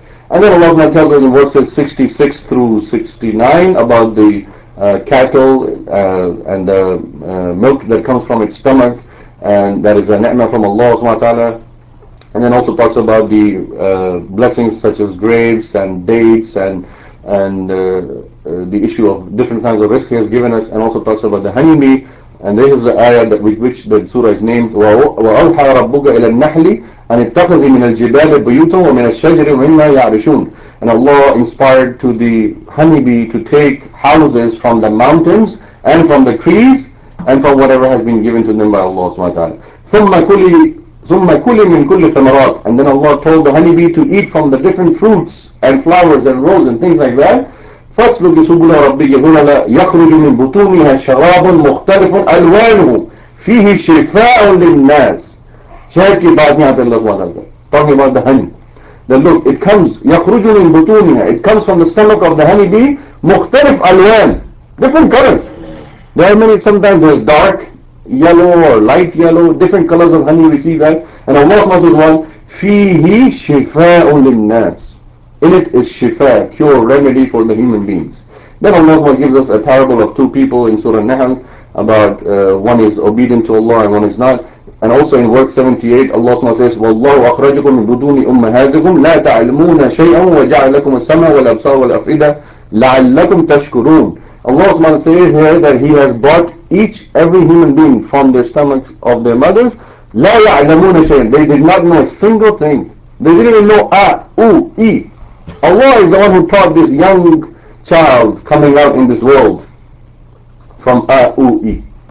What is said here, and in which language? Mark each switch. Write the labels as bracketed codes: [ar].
[en] And then Allah tells us in verses 66 through 69 about the cattle and the milk that comes from its stomach, and that is a ni'mah from Allah subhanahu wa ta'ala. And then also talks about the blessings such as grapes and dates, and the issue of different kinds of risk He has given us, and also talks about the honeybee. And this is the ayah that with which the surah is named, [ar] وَأَوْحَى رَبُّكَ إِلَى النَّحْلِ أَنِ اتَّخَذِي مِنَ الْجِبَالِ بُيُوتًا وَمِنَ الشَّجْرِ وَمِمَّا يَعْرِشُونَ. [en] And Allah inspired to the honeybee to take houses from the mountains and from the trees and from whatever has been given to them by Allah subhanahu wa ta'ala. [ar] ثُمَّ كُلِي مِن كُلِّ ثَمَرَاتِ. [en] And then Allah told the honeybee to eat from the different fruits and flowers and roses and things like that. [ar] فَاسْلُكْ سُبُلَ رَبِّكَ ذُلُلًا يَخْرُجُ مِنْ بُطُونِهَا شَرَابٌ مُخْتَلِفٌ أَلْوَانُهُ فِيهِ شِفَاءٌ لِلنَّاسِ. [ur] شہد کی بات یہاں پہ [en] اللہ سبحانہ وتعالیٰ talking about the honey, that look, it comes, [ar] يَخْرُجُ مِنْ بُطُونِهَا, [en] it comes from the stomach of the honey bee, [ar] مختلف ألوان, [en] different colors. There are many, sometimes there's dark yellow or light yellow, different colors of honey we see that. And Allah subhanahu wa ta'ala says, [ar] فِيهِ شِفَاءٌ لِلنَّاسِ. [en] In it is shifa, cure, remedy for the human beings. Then Allah gives us a parable of two people in Surah Nahl about one is obedient to Allah and one is not. And also in verse 78, Allah says, [ar] وَاللَّهُ أَخْرَجُكُمْ مِنْ بُدُونِ أُمَّهَاتِكُمْ لَا تَعْلَمُونَ شَيْئًا وَجَعَلَكُمُ السَّمَعَ وَالْأَبْصَارَ وَالْأَفْئِدَةَ لَعَلَّكُمْ تَشْكُرُونَ. [en] Allah says here that He has brought each, every human being from the stomachs of their mothers. [ar] لَا يَعْلَمُونَ شَيْئًا. [en] They did not know a single thing. They didn't even know A, U, E. Allah is the one who taught this young child coming out in this world from A-U-E.